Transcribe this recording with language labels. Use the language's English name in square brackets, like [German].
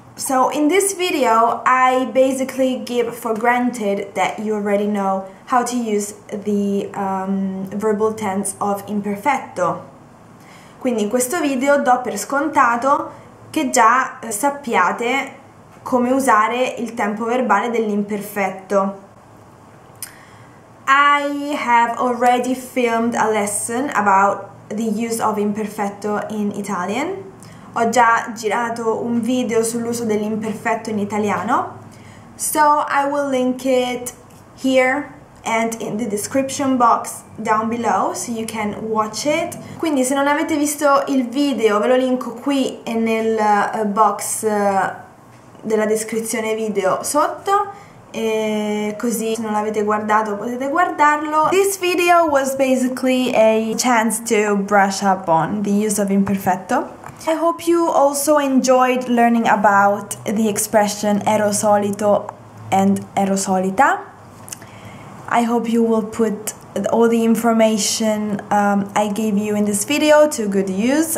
[English] So in this video, I basically give for granted that you already know how to use the verbal tense of imperfetto. [Italian] Quindi in questo video do per scontato che già sappiate come usare il tempo verbale dell'imperfetto. [English] I have already filmed a lesson about the use of imperfetto in Italian. [Italian] Ho già girato un video sull'uso dell'imperfetto in italiano. [English] So I will link it here and in the description box down below so you can watch it. [Italian] Quindi se non avete visto il video ve lo linko qui e nel box della descrizione video sotto. E così se non l'avete guardato potete guardarlo. [English] This video was basically a chance to brush up on the use of imperfetto. I hope you also enjoyed learning about the expression ero solito and ero solita. I hope you will put all the information I gave you in this video to good use.